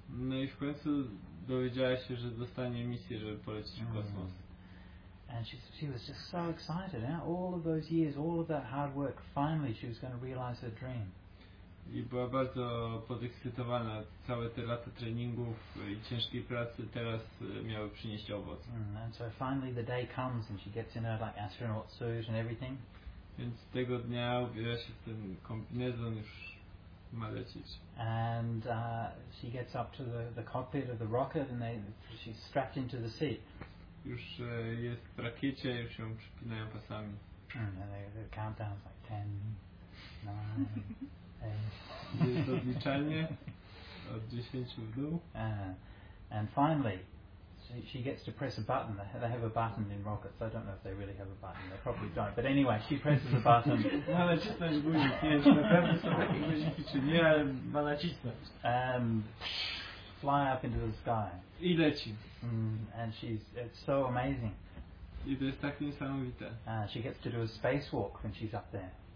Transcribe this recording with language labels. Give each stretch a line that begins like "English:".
Polish: No i w końcu dowiedziała się, że dostanie misję, żeby polecieć w kosmos.
English: And she was just so excited. Eh? All of those years, all of that hard work, finally she was going to realize her dream.
Polish: I była bardzo podekscytowana. Całe te lata treningów i ciężkiej pracy teraz miały przynieść owoc.
English: And so finally the day comes and she gets in her like astronaut suit and everything.
Polish: Więc tego dnia ubiera się w ten kombinezon, już ma lecieć.
English: And she gets up to the cockpit of the rocket and she's strapped into the seat.
Polish: Już jest w rakiecie, już ją przypinają pasami.
English: The countdown is like 10, 9, 8.
Polish: Jest odliczanie od 10 w dół.
English: And finally, she gets to press a button. They have a button in rockets. I don't know if they really have a button. They probably don't. But anyway, she presses a button.
Polish: Ma nacisnąć guzik. Wiesz, na pewno są takie guziki, czy nie, ale ma nacisnąć.
English: Fly up into the sky.
Polish: I leci.
English: And it's so amazing.
Polish: I to jest tak niesamowite.
English: She gets to do a spacewalk when she's up there.